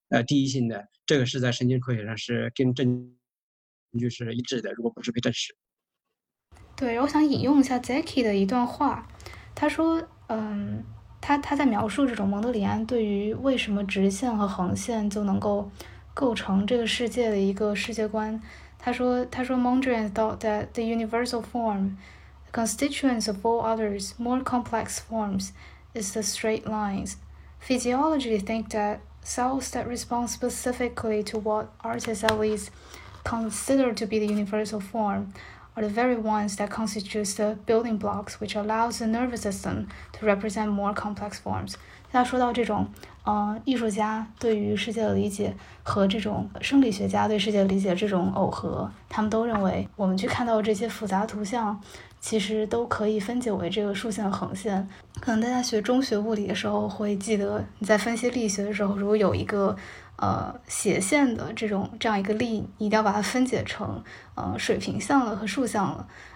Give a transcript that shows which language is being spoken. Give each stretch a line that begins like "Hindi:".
Chinese: 第一性的，这个是在神经科学上是跟证据是一致的，如果不是被证实。对，我想引用一下 Zeki 的一段话，他说他在描述这种蒙德里安对于为什么直线和横线就能够构成这个世界的一个世界观。
English: 他说 Mondrian thought that the universal form, constituents of all others, more complex forms, is the straight lines. Physiology think that cells that respond specifically to what artists at least consider to be the universal form are the very ones that constitute the building blocks which allows the nervous system to represent more complex forms.
Chinese: 他说到这种艺术家对于世界的理解和这种生理学家对世界的理解这种耦合，他们都认为我们去看到这些复杂图像其实都可以分解为这个竖线横线。可能大家学中学物理的时候会记得，你在分析力学的时候，如果有一个斜线的这样一个力，你一定要把它分解成水平向了和竖向了。